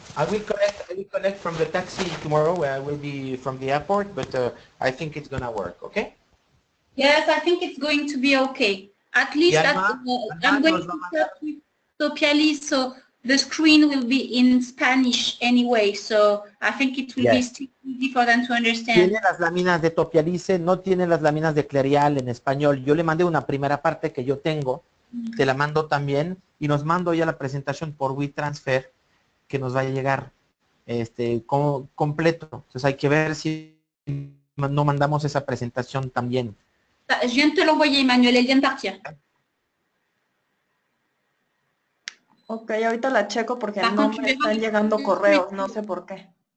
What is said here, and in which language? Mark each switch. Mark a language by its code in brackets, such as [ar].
[en] I will connect from the taxi tomorrow where I will be from the airport, but I think it's gonna work, okay? Yes, I think it's going to be okay. At least I'm going to talk with Topiali, so the screen will be in Spanish anyway, so I think it will be still easy for them to understand. [es] Tiene las láminas de Topialice, no tiene las láminas de Clerial en español. Yo le mandé una primera parte que yo tengo, te la mando también, y nos mando ya la presentación por WeTransfer, que nos va a llegar completo. Entonces hay que ver si no mandamos esa presentación también. [fr] Je viens de te l'envoyer, Emmanuel, elle vient de partir. [es] Ok, ahorita la checo porque no me están llegando correos, no sé por qué.